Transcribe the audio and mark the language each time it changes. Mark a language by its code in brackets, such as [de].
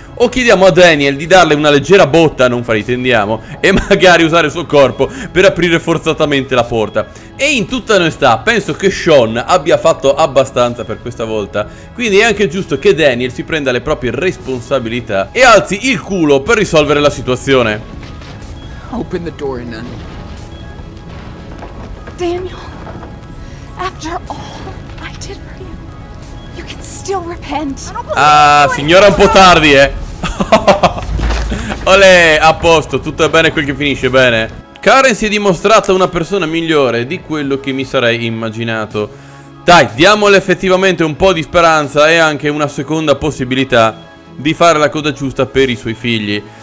[it] O chiediamo a Daniel di darle una leggera botta, non fraintendiamo, e magari usare il suo corpo per aprire forzatamente la porta. E in tutta onestà, penso che Sean abbia fatto abbastanza per questa volta. Quindi è anche giusto che Daniel si prenda le proprie responsabilità e alzi il culo per risolvere la situazione. [en] Open the door, Nan. Daniel, after all I did for you, you can still repent. [it] Ah, signora, un po' tardi, Olè, a posto, tutto è bene quel che finisce bene. Karen si è dimostrata una persona migliore di quello che mi sarei immaginato. Dai, diamole effettivamente un po' di speranza e anche una seconda possibilità di fare la cosa giusta per i suoi figli.